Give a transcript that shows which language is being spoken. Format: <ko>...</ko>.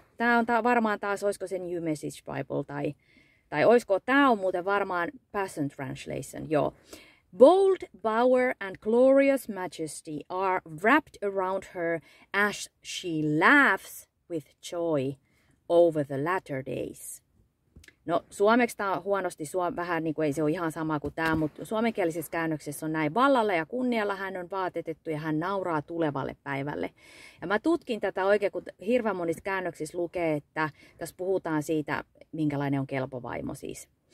<fi>Tämä on varmaan taas, olisiko se New Message Bible, tai olisiko, tämä on muuten varmaan Passion Translation, joo.</fi> <en>Bold power and glorious majesty are wrapped around her as she laughs with joy over the latter days.</en> <fi>No, suomeksi tämä on huonosti, vähän niin kuin ei se ole ihan sama kuin tämä, mutta suomenkielisessä käännöksessä on näin. Vallalla ja kunnialla hän on vaatetettu ja hän nauraa tulevalle päivälle. Ja mä tutkin tätä oikein, kun hirveän monissa käännöksissä lukee, että tässä puhutaan siitä, minkälainen on kelpovaimo siis.</fi>